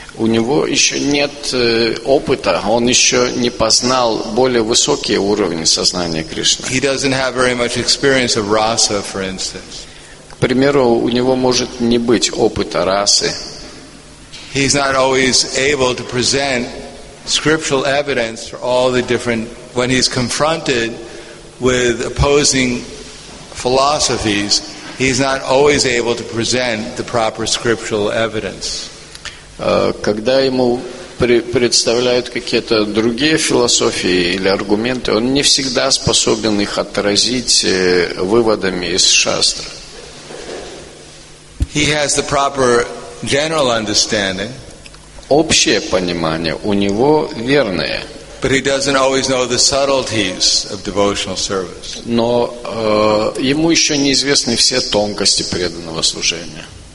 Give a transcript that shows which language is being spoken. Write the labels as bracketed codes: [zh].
[ru] У него еще нет опыта, он еще не познал более высокие уровни сознания Кришны. [en] He doesn't have very much experience of rasa, for instance. [ru] К примеру, у него может не быть опыта расы. [en] He's not always able to present scriptural evidence for all the different when he's confronted with opposing philosophies, he's not always able to present the proper scriptural evidence. [ru] Когда ему представляют какие-то другие философии или аргументы, он не всегда способен их отразить выводами из шастры. [en] He has the proper general understanding. [ru] Общее понимание у него верное. [en] But he doesn't always know the subtleties of devotional service. [ru] Но ему еще неизвестны все тонкости преданного служения.